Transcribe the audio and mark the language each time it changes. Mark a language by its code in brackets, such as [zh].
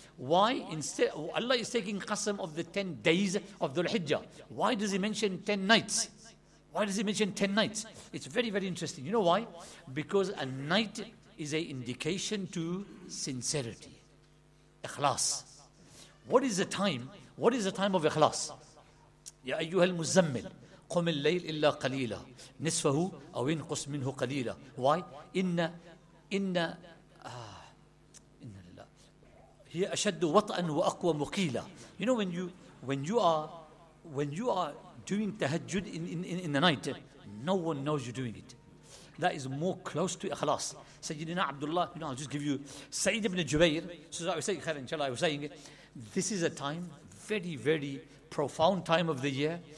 [en] Why instead Allah is taking qasam of the 10 days of Dhul Hijjah? Why does he mention 10 nights? Why does he mention 10 nights? It's very, very interesting. You know why? Because a night is an indication to sincerity. Ikhlas. What is the time? What is the time of ikhlas? [ar] يا أيها المزمل قم الليل إلا قليلا نصفه أو انقص منه قليلا. [en] Why? [ar] إن لله هي أشد وطئا وأقوى مقيلا. [en] You know, when you are doing tahajjud in the night, no one knows you're doing it. That is more close to ikhlas. Sayyidina Abdullah, you know, I'll just give you Sayyid ibn Jubayr. So I was saying, inshallah, I was saying, this is a time, very, very profound time of the year.